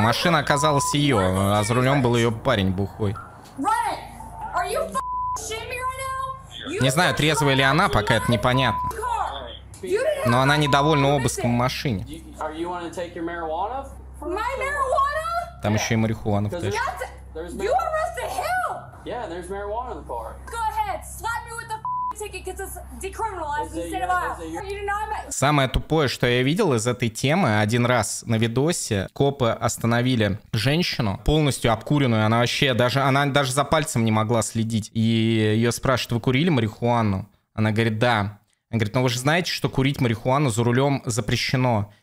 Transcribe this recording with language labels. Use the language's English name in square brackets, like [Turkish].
[Russian] Машина оказалась ее, а за рулем был ее парень бухой. [English] Right? Are you f***ing shitting me right now? [Russian] Не знаю, трезвая ли она, пока это непонятно. Но она недовольна обыском в машине. [English] Are you wanting to take your marijuana? My marijuana? [Russian] Там еще и марихуана в тачке. [English] You arrested him? Yeah, there's marijuana in the car. Go ahead, slap me with the f***ing ticket, because it's decriminalized in the state of Iowa. [Russian] Самое тупое, что я видел из этой темы, один раз на видосе копы остановили женщину, полностью обкуренную, она вообще даже, она даже за пальцем не могла следить. И ее спрашивают, вы курили марихуану? Она говорит, да. Она говорит, ну вы же знаете, что курить марихуану за рулем запрещено.